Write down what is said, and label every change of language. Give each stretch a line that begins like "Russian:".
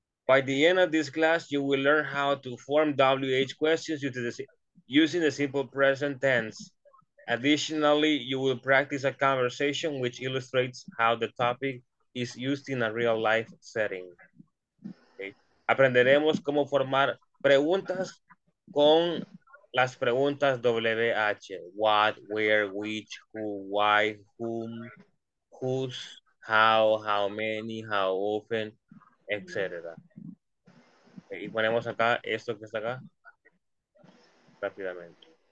English: By the end of this class, you will learn how to form WH questions using the simple present tense. Additionally, you will practice a conversation which illustrates how the topic is used in a real life setting. Okay.
Spanish: Aprenderemos cómo formar preguntas con las preguntas WH.
English: What, where, which, who, why, whom, whose, how many, how often, etc.
Spanish: Y ponemos acá esto que está acá rápidamente.